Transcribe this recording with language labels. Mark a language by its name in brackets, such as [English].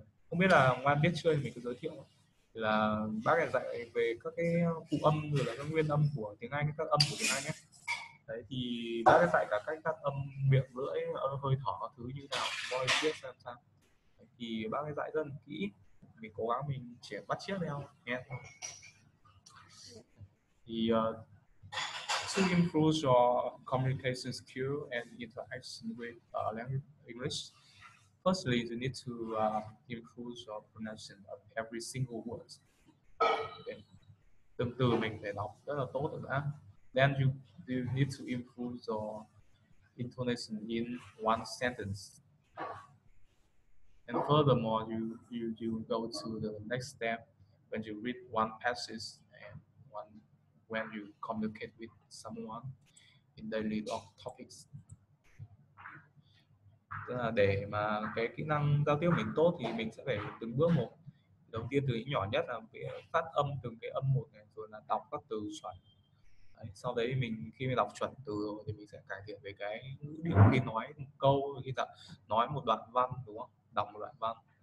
[Vietnamese] Không biết là Ngoan biết chưa, mình có giới thiệu là bác này dạy về các cái phụ âm rồi là các nguyên âm của tiếng Anh, các âm của tiếng Anh ấy. Đấy thì bác sẽ dạy cả cách phát âm miệng lưỡi, hơi thở thứ như nào, voice viết xem sao. Đấy, thì bác sẽ dạy rất là kỹ, mình cố gắng mình sẽ bắt chiếc theo nghe. [English] Thì to improve your communication skill and interaction with language English, firstly you need to improve your pronunciation of every single word. [Vietnamese] Từng từ mình phải đọc rất là tốt rồi đã. [English] Then you need to improve your intonation in one sentence. And furthermore, you go to the next step when you read one passage and one when you communicate with someone in daily talk topics. [Vietnamese] Tức là để mà cái kỹ năng giao tiếp mình tốt thì mình sẽ phải từng bước một. Đầu tiên từ nhỏ nhất là phát âm từng cái âm một này, rồi là đọc các từ chuẩn. Đấy, sau đấy mình khi mình đọc chuẩn từ rồi thì mình sẽ cải thiện về cái ngữ điệu khi nói một câu, khi nói một đoạn văn đúng không? Đọc một đoạn văn.